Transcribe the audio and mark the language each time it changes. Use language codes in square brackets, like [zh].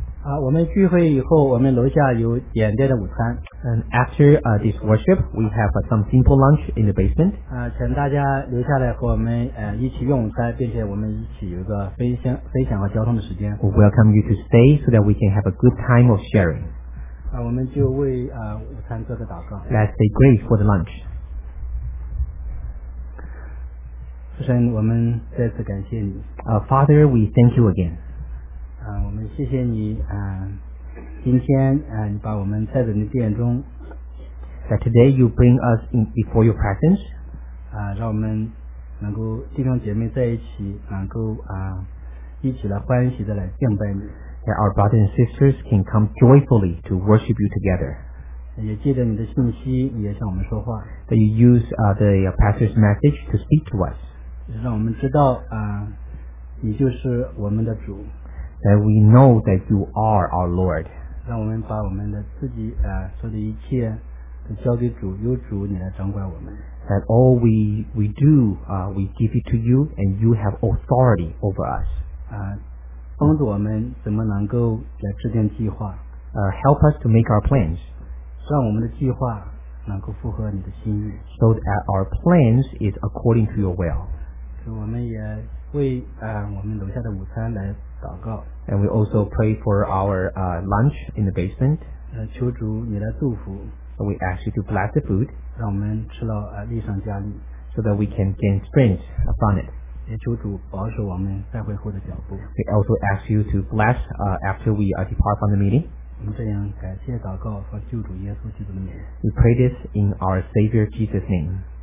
[en] After this worship, we have some simple lunch in the basement. [zh] 请大家留下来和我们一起用餐，并且我们一起有一个分享和交通的时间。 [en] We welcome you to stay so that we can have a good time of sharing. [zh] 我们就为午餐做个祷告。 [en] Let's say grace for the lunch. [zh] 父神，我们再次感谢你。 [en] Father, we thank you again. [zh] 我们谢谢你。今天你把我们带在你的殿中。 [en] That today you bring us in before your presence. [zh] 让我们能够弟兄姐妹在一起，能够一起来欢喜的来敬拜你。 [en] That our brothers and sisters can come joyfully to worship you together. [zh] 也借着你的信息也向我们说话。 [en] That you use the pastor's message to speak to us. [zh] 让我们知道你就是我们的主。 [en] That we know that you are our Lord. [zh] 让我们把我们的自己说的一切都交给主，由主你来掌管我们。 [en] That all we do, we give it to you, and you have authority over us. [zh] 帮助我们怎么能够来制定计划。 [en] Help us to make our plans. [zh] 让我们的计划能够符合你的心意。 [en] So that our plans is according to your will. [zh] 所以我们也为我们楼下的午餐来祷告。 [en] And we also pray for our lunch in the basement. [zh] 求主你来祝福。 [en] So we ask you to bless the food. [zh] 让我们吃了力上加力。 [en] So that we can gain strength upon it. [zh] 也求主保守我们散会后的脚步。 [en] We also ask you to bless after we depart from the meeting. [zh] 我们这样感谢祷告和救主耶稣基督的名。 [en] We pray this in our Savior Jesus' name.